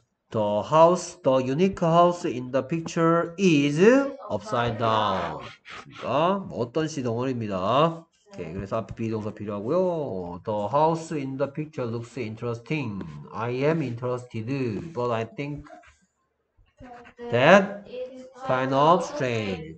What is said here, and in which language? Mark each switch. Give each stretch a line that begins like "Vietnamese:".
English: The unique house in the picture is upside down.
Korean: 그러니까 어떤 시동어입니다. 오케이, 그래서 앞에 비동사 필요하고요.
English: The house in the picture looks interesting. I am interested, but I think that kind of strange.